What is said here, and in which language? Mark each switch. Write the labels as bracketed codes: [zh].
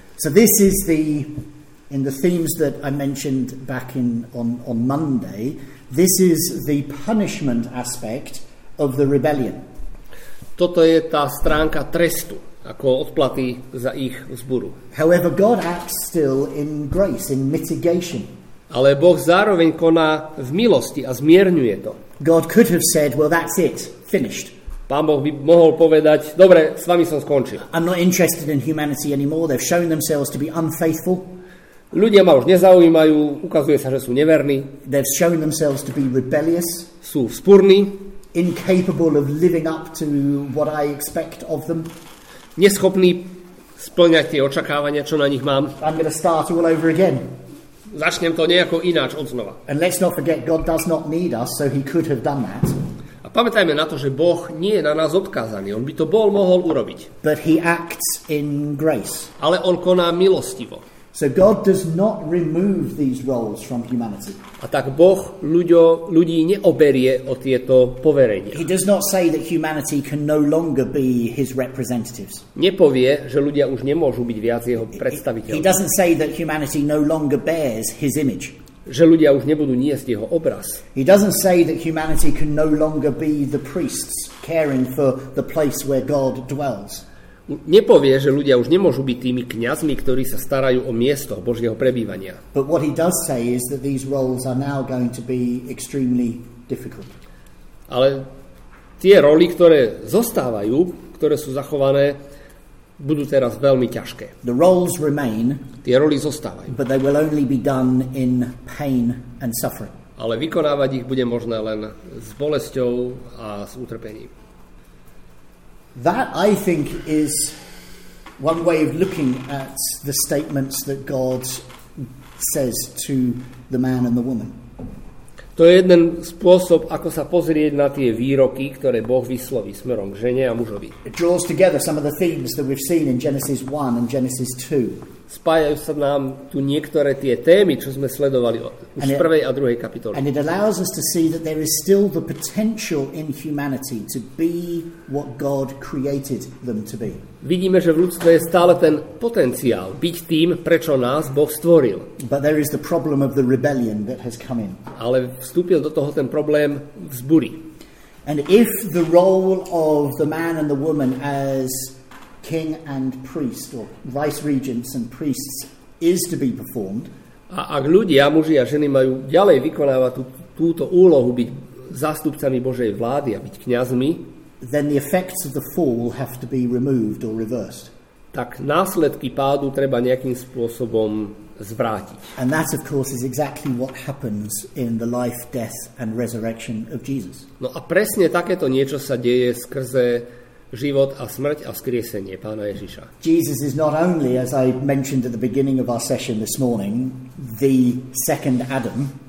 [en] So this is in the themes that I mentioned back on Monday, this is the punishment aspect of the rebellion. [sk] Toto je tá stránka trestu, ako odplaty za ich vzburu. [en] However, God acts still in grace, in mitigation. [sk] Ale Boh zároveň koná v milosti a zmierňuje to. [en] God could have said, well, that's it, finished. [sk] Pán Boh by mohol povedať, dobre, s vami som skončil. [en] I'm not interested in humanity anymore, they've shown themselves to be unfaithful. [sk] Ľudia ma už nezaujímajú, ukazuje sa, že sú neverní. [en] They've shown themselves to be rebellious. [sk] Sú vzpúrni. [en] Incapable of living up to what I expect of them. [sk] Neschopní splňať tie očakávania, čo na nich mám. [en] I'm going to start all over again. [sk] Začnem to nejako ináč odznova. [en] And let's not forget, God does not need us, so he could have done that. [sk] pamätajme na to, že Boh nie je na nás odkázaný. On by to bol mohol urobiť. [en] But he acts in grace. [sk] Ale on koná milostivo. [en] So God does not remove these roles from humanity. [sk] A tak Boh ľudí neoberie o tieto poverenia. [en] He does not say that humanity can no longer be his representatives. [sk] Nepovie, že ľudia už nemôžu byť viac jeho predstaviteľmi. [en] He doesn't say that humanity no longer bears his image. [sk] Že ľudia už nebudú niesť jeho obraz. [en] He doesn't say that humanity can no longer be the priests caring for the place where God dwells. [sk] Nepovie, že ľudia už nemôžu byť tými kňazmi, ktorí sa starajú o miesto Božieho prebývania. [en] But what he does say is that these roles are now going to be extremely difficult. [sk] Ale tie roly, ktoré zostávajú, ktoré sú zachované, budú teraz veľmi ťažké. [en] The roles remain. [sk] Tie roly zostávajú. [en] But they will only be done in pain and suffering. [sk] Ale vykonávať ich bude možné len s bolesťou a s utrpením. [en] That I think is one way of looking at the statements that God says to the man and the woman. [sk] To je jeden spôsob, ako sa pozrieť na tie výroky, ktoré Boh vysloví smerom k žene a mužovi. [en] It draws together some of the themes that we've seen in Genesis 1 and Genesis 2. [sk] Spájajú sa nám tu niektoré tie témy, čo sme sledovali už v prvej a druhej kapitole. [en] And it allows us to see that there is still the potential in humanity to be what God created them to be. [sk] Vidíme, že v ľudstve je stále ten potenciál byť tým, prečo nás Boh stvoril. [en] But there is the problem of the rebellion that has come in. [sk] Ale vstúpil do toho ten problém vzbury. [en] And if the role of the man and the woman as king and priest or vice regents and priests is to be performed. [sk] A ak ľudia, muži a ženy majú ďalej vykonávať túto úlohu byť zástupcami Božej vlády a byť kňazmi, [en] then the effects of the fall have to be removed or reversed. [sk] Tak následky pádu treba nejakým spôsobom zvrátiť. [en] And that of course is exactly what happens in the life, death and resurrection of Jesus. [sk] No a presne takéto niečo sa deje skrze život a smrť a vzkriesenie Pána Ježiša. [en] Jesus is not only, as I mentioned at the beginning of our session this morning, the second Adam.